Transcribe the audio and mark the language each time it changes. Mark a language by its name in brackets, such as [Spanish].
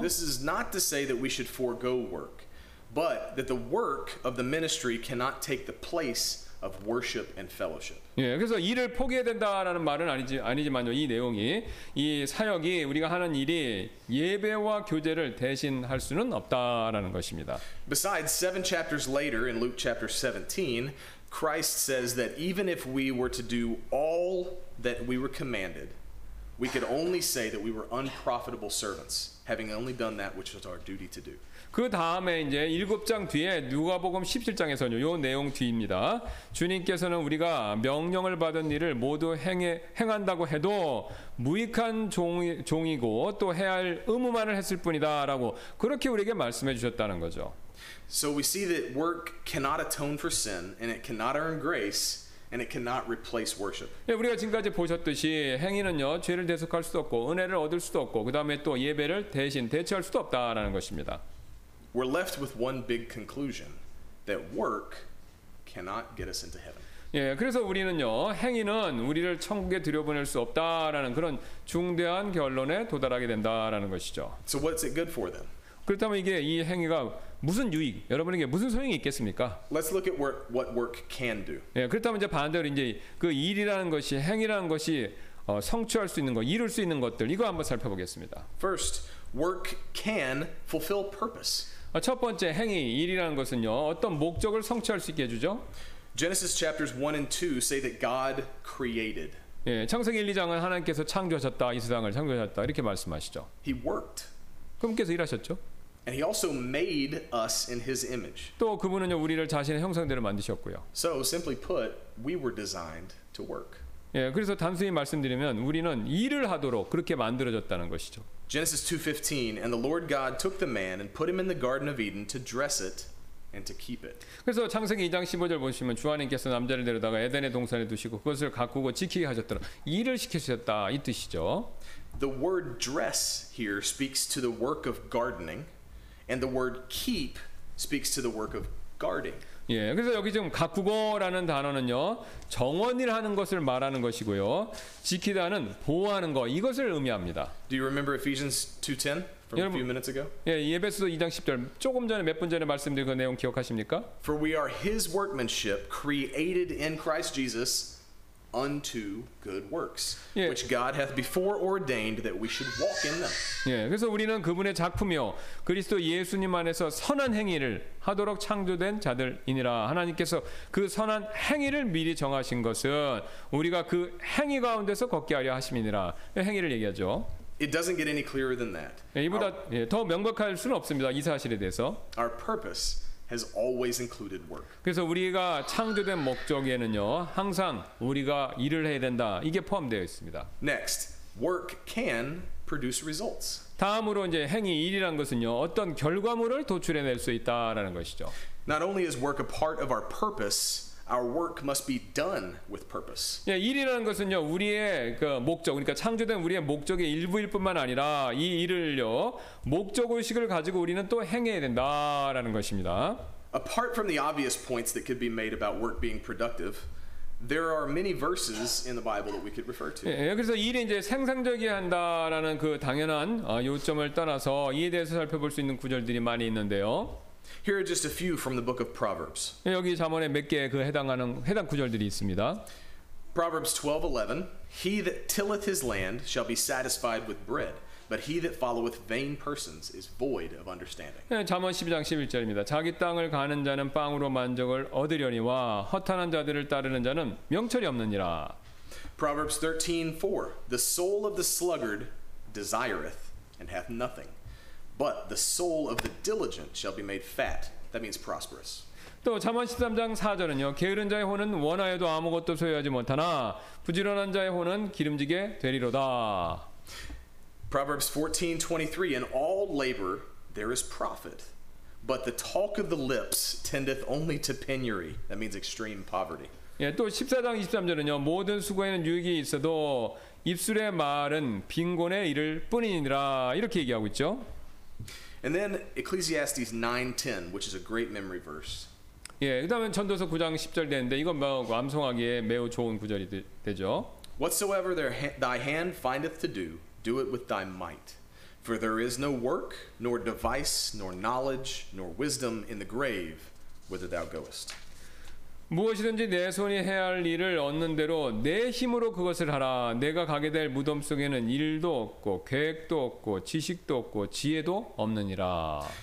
[English] This is not to say that we should forego work, but that the work of the ministry cannot take the place of worship and fellowship. [Korean] 예, 그래서 일을 포기해야 된다라는 말은 아니지만요. 이 내용이 이 사역이 우리가 하는 일이 예배와 교제를 대신할 수는 없다라는 것입니다. [English] Besides, seven chapters later in Luke chapter 17, Christ says that even if we were to do all that we were commanded, we could only say that we were unprofitable servants, having only done that which was our duty to do. [Korean] 그 다음에 이제 7장 뒤에 누가복음 17장에서는 요 내용 뒤입니다. 주님께서는 우리가 명령을 받은 일을 모두 행한다고 해도 무익한 종이고 또 해야 할 의무만을 했을 뿐이다라고 그렇게 우리에게 말씀해 주셨다는 거죠. [English] So we see that work cannot atone for sin and it cannot earn grace. And it cannot replace worship. [Korean] 예, 우리가 지금까지 보셨듯이 행위는요 죄를 대속할 수도 없고 은혜를 얻을 수도 없고 그 다음에 또 예배를 대신 대체할 수도 없다라는 것입니다. [English] We're left with one big conclusion that work cannot get us into heaven. [Korean] 예, 그래서 우리는요 행위는 우리를 천국에 들여보낼 수 없다라는 그런 중대한 결론에 도달하게 된다라는 것이죠. [English] So what's it good for then? [Korean] 그렇다면 이게 이 행위가 무슨 유익? 여러분에게 무슨 소용이 있겠습니까? [English] Let's look at what work can do. [Korean] 예, 그렇다면 이제 반대로 이제 그 일이라는 것이 행위라는 것이 성취할 수 있는 것, 이룰 수 있는 것들 이거 한번 살펴보겠습니다. [English] First, work can fulfill purpose. [Korean] 첫 번째 행위 일이라는 것은요 어떤 목적을 성취할 수 있게 해주죠. [English] Genesis chapters 1 and 2 say that God created. [Korean] 예, 창세기 1, 2장은 하나님께서 창조하셨다, 이 세상을 창조하셨다 이렇게 말씀하시죠. [English] He worked. [Korean] 그분께서 일하셨죠. [English] And he also made us in his image. [Korean] 또 그분은요 우리를 자신의 형상대로 만드셨고요. [English] So simply put, we were designed to work. [Korean] 예, 그래서 단순히 말씀드리면 우리는 일을 하도록 그렇게 만들어졌다는 것이죠. [English] Genesis 2:15, and the Lord God took the man and put him in the Garden of Eden to dress it and to keep it. [Korean] 그래서 창세기 2장 15절 보시면 주하나님께서 남자를 데려다가 에덴의 동산에 두시고 그것을 가꾸고 지키게 하셨더라. 일을 시키셨다 이 뜻이죠. [English] The word dress here speaks to the work of gardening. And the word keep speaks to the work of guarding. [Korean] 예, 그래서 여기 지금 가꾸고라는 단어는요, 정원을 하는 것을 말하는 것이고요, 지키다는 보호하는 것, 이것을 의미합니다. [English] Do you remember Ephesians 2:10 from [Korean] 여러분, [English] a few minutes ago? [Korean] 예, 에베소서 2장 10절, 조금 전에 몇 분 전에 말씀드린 그 내용 기억하십니까? [English] For we are his workmanship created in Christ Jesus unto good works, 예. which God hath before ordained that we should walk in them. [Korean] 예, 그래서 우리는 그분의 작품이요 그리스도 예수님 안에서 선한 행위를 하도록 창조된 자들이니라. 하나님께서 그 선한 행위를 미리 정하신 것은 우리가 그 행위 가운데서 걷게 하려 하심이니라. 행위를 얘기하죠. [English] It doesn't get any clearer than that. [Korean] 예, 이보다 예, 더 명백할 수는 없습니다. 이 사실에 대해서. [English] Our purpose has always included work. [Korean] 그래서 우리가 창조된 목적에는요 항상 우리가 일을 해야 된다 이게 포함되어 있습니다. [English] Next, work can produce results. [Korean] 다음으로 이제 행위 일이란 것은요 어떤 결과물을 도출해낼 수 있다라는 것이죠. [English] Not only is work a part of our purpose, our work must be done with purpose. [Korean] 예, 일이라는 것은요 우리의 그 목적, 그러니까 창조된 우리의 목적의 일부일 뿐만 아니라 이 일을요 목적 의식을 가지고 우리는 또 행해야 된다라는 것입니다. [English] Apart from the obvious points that could be made about work being productive, there are many verses in the Bible that we could refer to. [Korean] 예, 그래서 일이 이제 생산적이 한다라는 그 당연한 요점을 떠나서 이에 대해서 살펴볼 수 있는 구절들이 많이 있는데요. [English] Here are just a few from the book of Proverbs. [Korean] 여기 잠언에 몇 개 그 해당 구절들이 있습니다. [English] Proverbs 12:11, He that tilleth his land shall be satisfied with bread, but he that followeth vain persons is void of understanding. [Korean] 잠언 12장 11절입니다. 자기 땅을 가는 자는 빵으로 만족을 얻으려니와 허탄한 자들을 따르는 자는 명철이 없느니라. [English] Proverbs 13:4, The soul of the sluggard desireth and hath nothing. But the soul of the diligent shall be made fat. That means prosperous. [Korean] 또 잠언 13장 4절은요. 게으른 자의 혼은 원하여도 아무것도 소유하지 못하나 부지런한 자의 혼은 기름지게 되리로다. [English] Proverbs 14:23, In all labor there is profit. But the talk of the lips tendeth only to penury. That means extreme poverty. [Korean] 예, 또 14장 23절은요. 모든 수고에는 유익이 있어도 입술의 말은 빈곤의 일을 뿐이니라 이렇게 얘기하고 있죠. [English] And then Ecclesiastes 9:10, which is a great memory verse. [Korean] 예, 그다음에 전도서 9장 10절 되는데 이건 뭐 암송하기에 매우 좋은 구절이 되죠. [English] Whatsoever thy hand findeth to do, do it with thy might. For there is no work, nor device, nor knowledge, nor wisdom in the grave, whither thou goest. [Korean] 무엇이든지 내 손이 해야 할 일을 얻는 대로 내 힘으로 그것을 하라. 내가 가게 될 무덤 속에는 일도 없고 계획도 없고 지식도 없고 지혜도 없느니라.